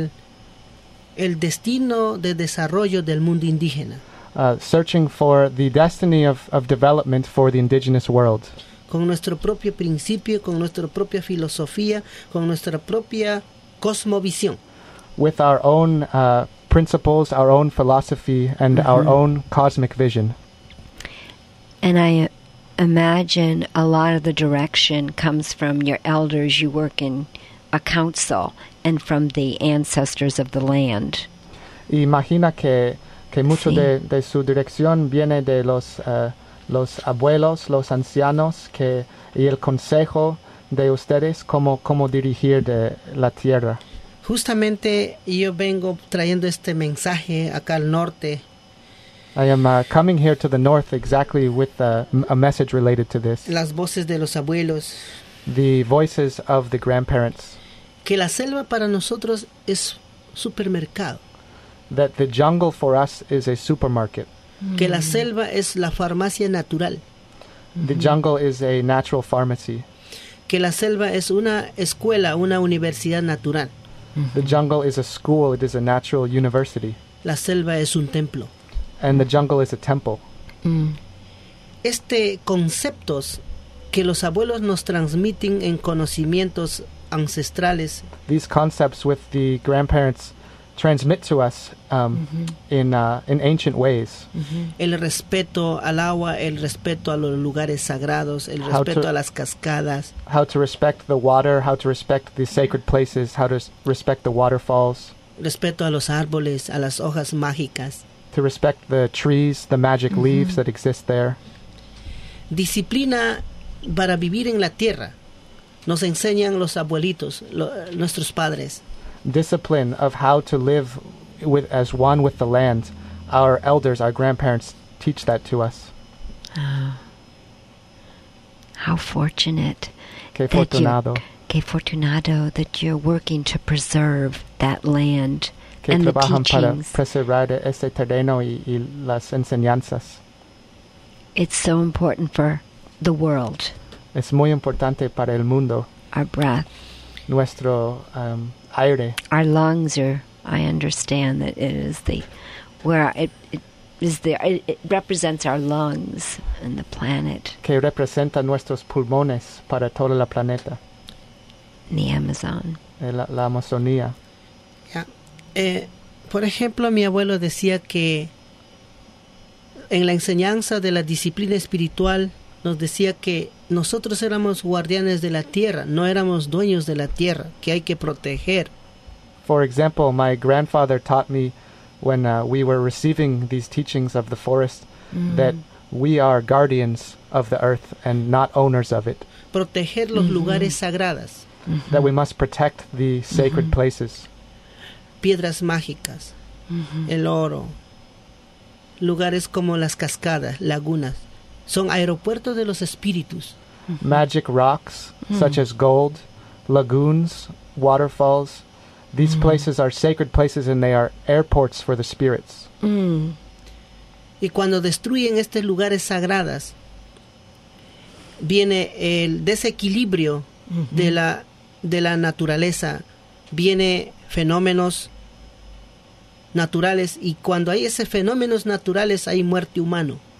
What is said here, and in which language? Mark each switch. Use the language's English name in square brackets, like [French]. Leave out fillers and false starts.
[Spanish] Buscando el destino de desarrollo del mundo indígena. [English] Searching for the destiny of development for the indigenous world. [Spanish] Con nuestro propio principio, con nuestra propia filosofía, con nuestra propia cosmovisión. [English] With our own principles, our own philosophy, and mm-hmm. our own cosmic vision. And I imagine a lot of the direction comes from your elders. You work in a council and from the ancestors of the land. [Spanish] Imagina que mucho de su dirección viene de los abuelos, los ancianos, que y el consejo de ustedes cómo dirigir de la tierra. Justamente yo vengo trayendo este mensaje acá al norte. [English] I am coming here to the north exactly with a message related to this. [Spanish] Las voces de los abuelos. [English] The voices of the grandparents. [Spanish] Que la selva para nosotros es supermercado. [English] That the jungle for us is a supermarket. [Spanish] Mm-hmm. Que la selva es la farmacia natural. [English] The jungle is a natural pharmacy. [Spanish] Que la selva es una escuela, una universidad natural. Mm-hmm. [English] The jungle is a school, it is a natural university. [Spanish] La selva es un templo. [English] And the jungle is a temple. Mm. [Spanish] Este conceptos que los abuelos nos transmiten en conocimientos ancestrales. [English] These concepts with the grandparents transmit to us in ancient ways. Mm-hmm. [Spanish] El respeto al agua, el respeto a los lugares sagrados, el respeto a las cascadas. [English] How to respect the water, how to respect the sacred places, how to respect the waterfalls. [Spanish] Respeto a los árboles, a las hojas mágicas. [English] To respect the trees, the magic mm-hmm. leaves that exist there. [Spanish] Disciplina para vivir en la tierra. Nos enseñan los abuelitos, nuestros padres. [English] Discipline of how to live as one with the land. Our elders, our grandparents, teach that to us. Oh. How fortunate. [Spanish] Qué fortunado. Qué fortunado [English] that you're working to preserve that land. [Spanish] Que [English] and [Spanish] trabajan [English] the teachings. [Spanish] Para preservar ese terreno y las enseñanzas. [English] It's so important for the world. [Spanish] Es muy importante para el mundo. [English] Our breath. [Spanish] Nuestro aire. [English] Our lungs are, I understand that it is the, where it is the, it represents our lungs and the planet. [Spanish] Que representa nuestros pulmones para todo el planeta. [English] The Amazon. [Spanish] La Amazonía. Por ejemplo, mi abuelo decía que en la enseñanza de la disciplina espiritual nos decía que nosotros éramos guardianes de la tierra, no éramos dueños de la tierra, que hay que proteger. [English] For example, my grandfather taught me when we were receiving these teachings of the forest that we are guardians of the earth and not owners of it. [Spanish] Proteger los lugares sagrados. [English] That we must protect the sacred places. [Spanish] Piedras mágicas, el oro, lugares como las cascadas, lagunas. Son aeropuertos de los espíritus. [English] Magic rocks, such as gold, lagoons, waterfalls. These places are sacred places and they are airports for the spirits. [Spanish] Y cuando destruyen estos lugares sagrados, viene el desequilibrio de la naturaleza. Viene fenómenos naturales. Y cuando hay esos fenómenos naturales, hay muerte humana.